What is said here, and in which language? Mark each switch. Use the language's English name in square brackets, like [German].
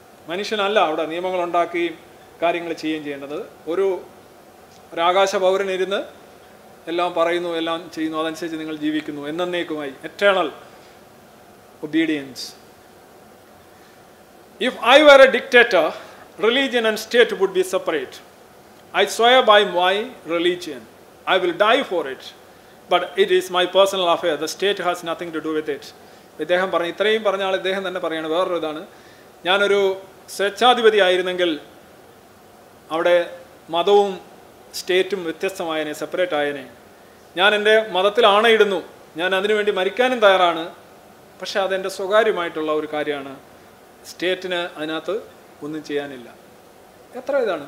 [Malayalam] മനുഷ്യനല്ല അവിടെ നിയമങ്ങൾ ഉണ്ടാക്കുകയും കാര്യങ്ങൾ ചെയ്യുകയും ചെയ്യേണ്ടത്, ഒരു ആകാശ പൗരനിരുന്ന് എല്ലാം പറയുന്നു, എല്ലാം ചെയ്യുന്നു, അതനുസരിച്ച് നിങ്ങൾ ജീവിക്കുന്നു എന്നേക്കുമായി. [English] Eternal obedience. If I were a dictator, religion and state would be separate. I swear by my religion, I will die for it, but it is my personal affair, the state has nothing to do with it. [Malayalam] ഇദ്ദേഹം പറഞ്ഞു. ഇത്രയും പറഞ്ഞാൽ ഇദ്ദേഹം തന്നെ പറയുകയാണ് വേറൊരു ഇതാണ്, ഞാനൊരു സ്വേച്ഛാധിപതി ആയിരുന്നെങ്കിൽ അവിടെ മതവും സ്റ്റേറ്റും വ്യത്യസ്തമായനെ, സെപ്പറേറ്റ് ആയനെ. ഞാൻ എൻ്റെ മതത്തിൽ ആണയിടുന്നു, ഞാൻ അതിനുവേണ്ടി മരിക്കാനും തയ്യാറാണ്, പക്ഷേ അതെൻ്റെ സ്വകാര്യമായിട്ടുള്ള ഒരു കാര്യമാണ്, സ്റ്റേറ്റിന് അതിനകത്ത് ഒന്നും ചെയ്യാനില്ല. എത്ര ഇതാണ്!